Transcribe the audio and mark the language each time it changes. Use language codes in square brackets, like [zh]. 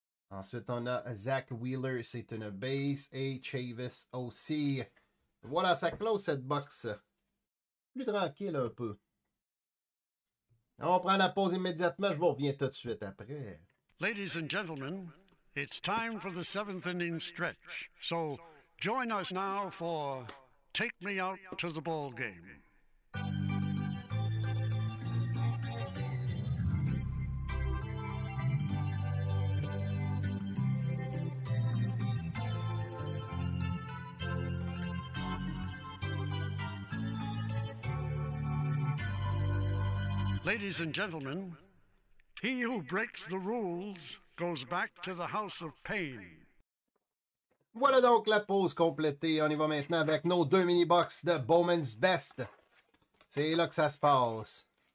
[fr] Ensuite, on a Zach Wheeler, c'est une base, et Chavis aussi. Voilà, ça close cette box. Plus tranquille un peu. On prend la pause immédiatement, je vous reviens tout de suite après. [en] Ladies and gentlemen, it's time for the seventh inning stretch. So, join us now for... Take me out to the ball game. Ladies and gentlemen, he who breaks the rules goes back to the house of pain. [fr] Voilà donc la pause complétée. On y va maintenant avec nos deux mini-box de Bowman's Best. C'est là que ça se passe.